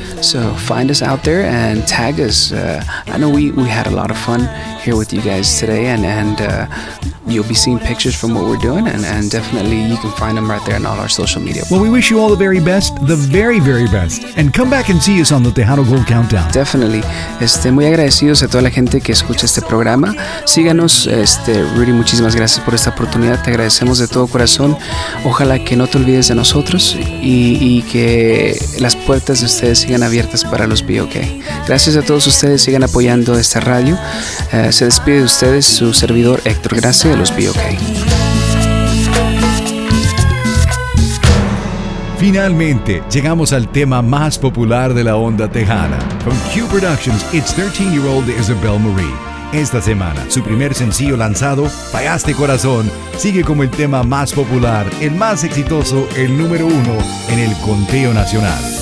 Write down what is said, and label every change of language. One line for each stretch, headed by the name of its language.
English: So find us out there and tag us. I know we had a lot of fun here with you guys today, and you'll be seeing pictures from what we're doing, and definitely you can find them right there on all our social media. Well, we wish you all the very best, the very, very best, and come back and see us on the Tejano Gold Countdown. Definitely.
Spanish: Muy agradecidos a toda la gente que escucha este programa. Síganos. Rudy, muchísimas gracias por esta oportunidad. Te agradecemos de todo corazón. Ojalá que no te olvides de nosotros y que las puertas de ustedes sigan abiertas para los B.O.K. Gracias a todos ustedes. Sigan apoyando esta radio. Se despide de ustedes su servidor Héctor Gracia de los B.O.K. Finalmente, llegamos al tema más popular de la onda tejana.
English: From Q Productions, it's 13-year-old Isabel Marie.
Spanish: Esta semana, su primer sencillo lanzado, Pagaste Corazón, sigue como el tema más popular, el más exitoso, el número uno en el conteo nacional.